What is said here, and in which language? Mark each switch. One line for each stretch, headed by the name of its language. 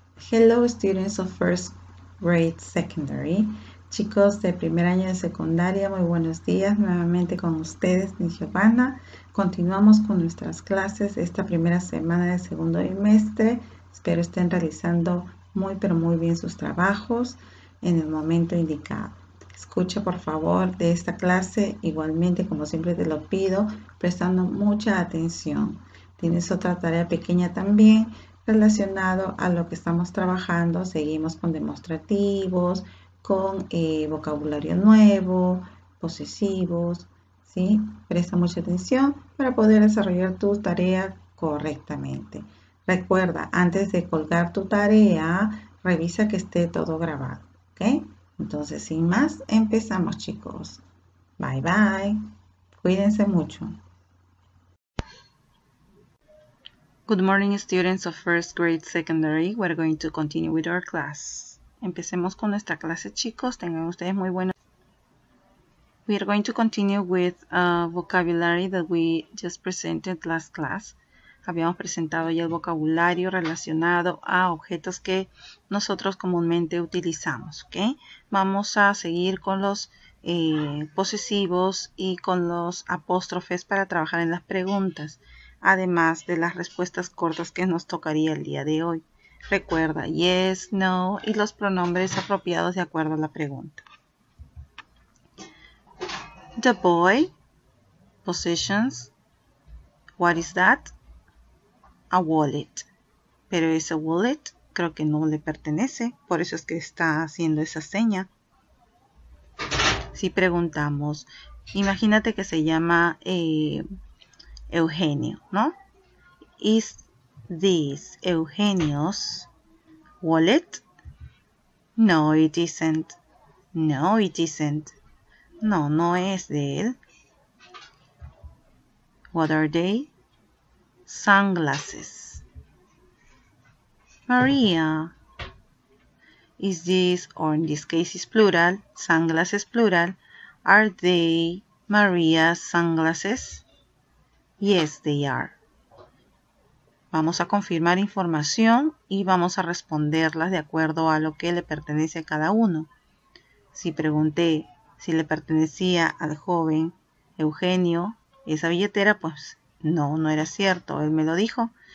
English: Hello, students of first grade secondary.
Spanish: Chicos de primer año de secundaria, muy buenos días nuevamente con ustedes, mi Giovanna. Continuamos con nuestras clases esta primera semana de segundo trimestre. Espero estén realizando muy, pero muy bien sus trabajos en el momento indicado. Escucha por favor de esta clase, igualmente como siempre te lo pido, prestando mucha atención. Tienes otra tarea pequeña también, relacionado a lo que estamos trabajando. Seguimos con demostrativos, con vocabulario nuevo, posesivos, ¿sí? Presta mucha atención para poder desarrollar tu tarea correctamente. Recuerda, antes de colgar tu tarea, revisa que esté todo grabado, ¿ok? Entonces, sin más, empezamos, chicos. Bye, bye. Cuídense mucho.
English: Good morning, students of first grade secondary. We're going to continue with our class.
Spanish: Empecemos con nuestra clase, chicos. Tengan ustedes muy buenos.
English: We are going to continue with vocabulary that we just presented last class.
Spanish: Habíamos presentado ya el vocabulario relacionado a objetos que nosotros comúnmente utilizamos, ¿okay? Vamos a seguir con los posesivos y con los apóstrofes para trabajar en las preguntas, además de las respuestas cortas que nos tocaría el día de hoy. Recuerda, yes, no y los pronombres apropiados de acuerdo a la pregunta.
English: The boy, possessions, what is that? A wallet.
Spanish: Pero ese wallet creo que no le pertenece, por eso es que está haciendo esa seña. Si preguntamos, imagínate que se llama Eugenio, ¿no?
English: Is this Eugenio's wallet? No, it isn't. No, it isn't.
Spanish: No, no es de él.
English: What are they? Sunglasses. Maria. Is this, or in this case is plural, sunglasses plural. Are they Maria's sunglasses? Yes, they are.
Spanish: Vamos a confirmar información y vamos a responderlas de acuerdo a lo que le pertenece a cada uno. Si pregunté si le pertenecía al joven Eugenio esa billetera, pues no, no era cierto. Él me lo dijo.